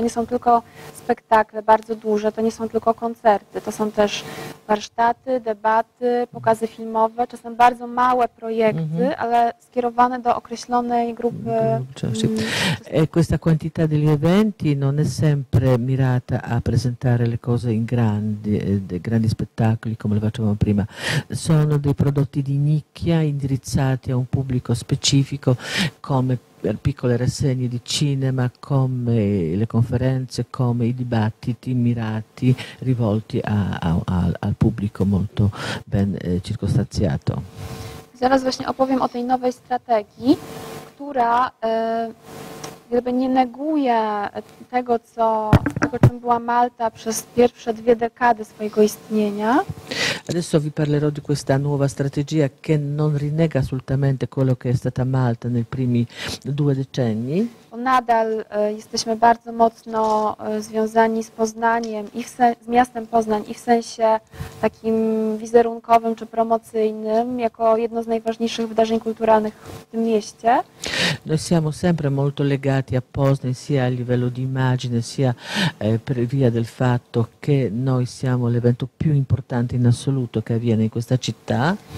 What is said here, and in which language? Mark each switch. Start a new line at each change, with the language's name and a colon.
Polish: To nie są tylko spektakle bardzo duże, to nie są tylko koncerty. To są też warsztaty, debaty, pokazy filmowe, czasem bardzo małe projekty, ale skierowane do określonej grupy.
Italian: E questa quantità degli eventi non è sempre mirata a presentare le cose in grandi, grandi spettacoli come le facevamo prima. Sono dei prodotti di nicchia indirizzati a un pubblico specifico come per piccole rassegne di cinema, come le conferenze, come i dibattiti mirati, rivolti al pubblico molto ben circostanziato.
Polish: Zaraz właśnie opowiem o tej nowej strategii, która jakby nie neguje tego, czym była Malta przez pierwsze 2 dekady swojego istnienia.
Italian: Adesso vi parlerò di questa nuova strategia che non rinnega assolutamente quello che è stata Malta nei primi 2 decenni.
Polish: Nadal jesteśmy bardzo mocno związani z Poznaniem i z miastem Poznań i w sensie takim wizerunkowym czy promocyjnym jako jedno z najważniejszych wydarzeń kulturalnych w tym mieście.
Italian: Noi siamo sempre molto legati a Poznań sia a livello di immagine sia per via del fatto che noi siamo l'evento più importante in assoluto che avviene in questa città.